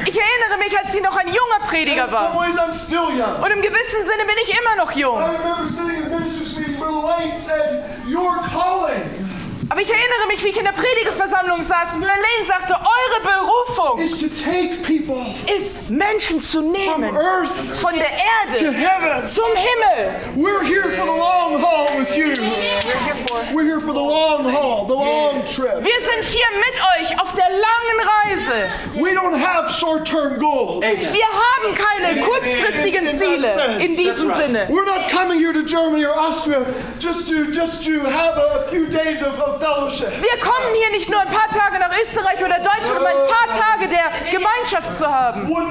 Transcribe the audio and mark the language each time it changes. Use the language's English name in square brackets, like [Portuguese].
[German] Ich erinnere mich, als ich noch ein junger Prediger war. [English] In some ways I'm still young. [German] Und im gewissen Sinne bin ich immer noch jung. [English] I remember sitting in the ministry's meeting where the Lord said, "You're calling." [German] Aber ich erinnere mich, wie ich in der Predigerversammlung saß und Elaine sagte, eure Berufung [English] is to take people [German] ist, Menschen zu nehmen [English] from earth [German] von der Erde [English] to heaven. [German] Zum Himmel. [English] We're here for the long haul with you. We're here for the long haul, the long trip. [German] Wir sind hier mit euch auf der langen Reise. [English] We don't have short-term goals. [German] Wir haben keine kurzfristigen Ziele in diesem Sinne. [English] We're not coming here to Germany or Austria just to have a few days of [German] Wir kommen hier nicht nur ein paar Tage nach Österreich oder Deutschland, um ein paar Tage der Gemeinschaft zu haben.